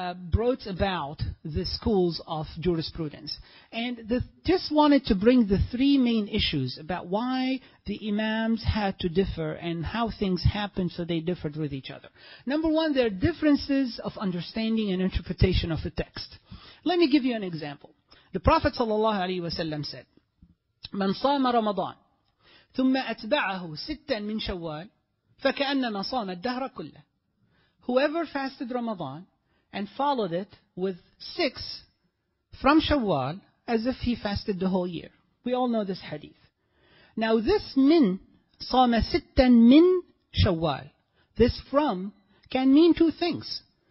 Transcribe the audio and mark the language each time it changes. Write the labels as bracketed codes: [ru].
[en] brought about the schools of jurisprudence. And just wanted to bring the three main issues about why the imams had to differ and how things happened so they differed with each other. Number one, there are differences of understanding and interpretation of the text. Let me give you an example. The Prophet sallallahu alaihi wasallam said, [ar] من صام رمضان ثم أتبعه ستا من شوال فكأنما صام الدهر كله. [en] Whoever fasted Ramadan and followed it with six from Shawwal, as if he fasted the whole year. We all know this hadith. Now this min, [ar] صام ستا من شوال, [en] this from can mean two things.